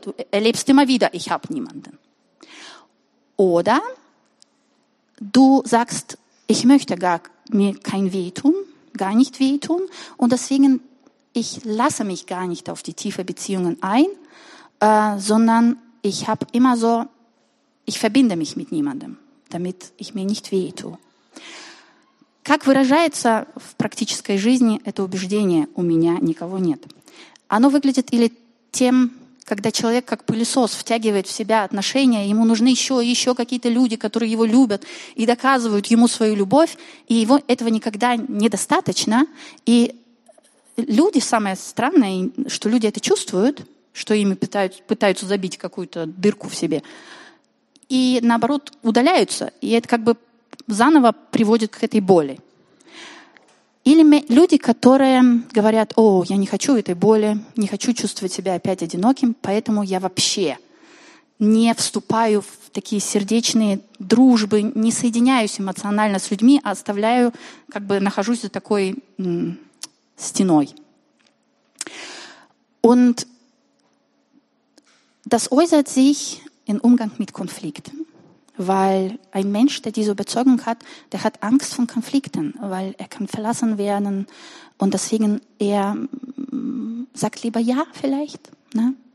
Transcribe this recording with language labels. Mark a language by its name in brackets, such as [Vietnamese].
[German] Du erlebst immer wieder, ich habe niemanden. Oder du sagst, ich möchte mir kein wehtun, gar nicht wehtun und deswegen, ich lasse mich gar nicht auf die tiefe Beziehungen ein, sondern ich habe immer so, ich verbinde mich mit niemandem. Damit ich mir nicht weh tue. [Russian] Как выражается в практической жизни это убеждение «у меня никого нет»? Оно выглядит или тем, когда человек как пылесос втягивает в себя отношения, ему нужны еще какие-то люди, которые его любят и доказывают ему свою любовь, и его этого никогда недостаточно. И люди, самое странное, что люди это чувствуют, что ими пытаются забить какую-то дырку в себе, и наоборот удаляются, и это как бы заново приводит к этой боли. Или люди, которые говорят, о, я не хочу этой боли, не хочу чувствовать себя опять одиноким, поэтому я вообще не вступаю в такие сердечные дружбы, не соединяюсь эмоционально с людьми, а оставляю, как бы нахожусь за такой стеной. [German] Und das äußert sich in Umgang mit Konflikten, weil ein Mensch, der diese Überzeugung hat, der hat Angst vor Konflikten, weil er kann verlassen werden und deswegen er sagt lieber ja vielleicht. Ne?